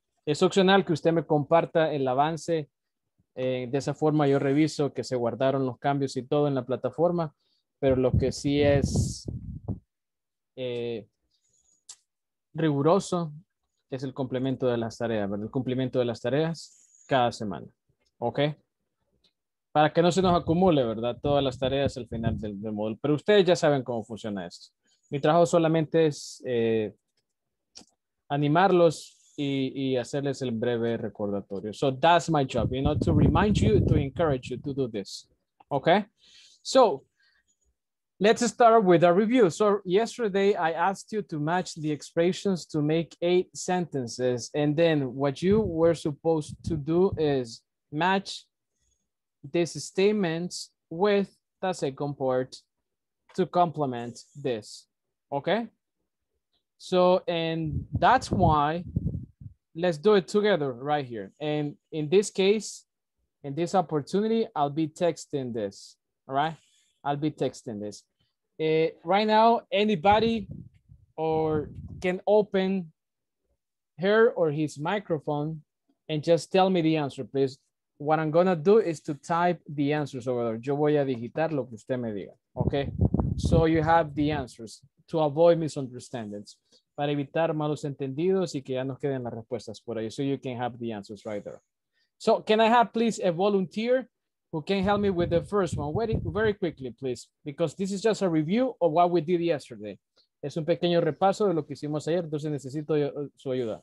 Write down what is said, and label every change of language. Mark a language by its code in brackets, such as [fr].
[es] Es opcional que usted me comparta el avance, de esa forma yo reviso que se guardaron los cambios y todo en la plataforma, pero lo que sí es riguroso es el complemento de las tareas, ¿verdad? El cumplimiento de las tareas cada semana, okay? Para que no se nos acumule, ¿verdad? Todas las tareas al final del módulo. Pero ustedes ya saben cómo funciona esto. Mi trabajo solamente es animarlos y hacerles el breve recordatorio. [en] So that's my job, you know, to remind you, to encourage you to do this. Okay? So let's start with a review. So yesterday I asked you to match the expressions to make 8 sentences. And then what you were supposed to do is match these statements with the second part to complement this. Okay. So, and that's why let's do it together right here. And in this case, in this opportunity, I'll be texting this. All right. I'll be texting this. Right now, anybody or can open her or his microphone and just tell me the answer, please. What I'm gonna do is to type the answers over there. [es] Yo voy a digitar lo que usted me diga, okay? [en] So you have the answers to avoid misunderstandings, [es] para evitar malos entendidos y que ya nos queden las respuestas por ahí. [en] So you can have the answers right there. So can I have please a volunteer who can help me with the first one? Very, very quickly, please, because this is just a review of what we did yesterday. [es] Es un pequeño repaso de lo que hicimos ayer, entonces necesito su ayuda.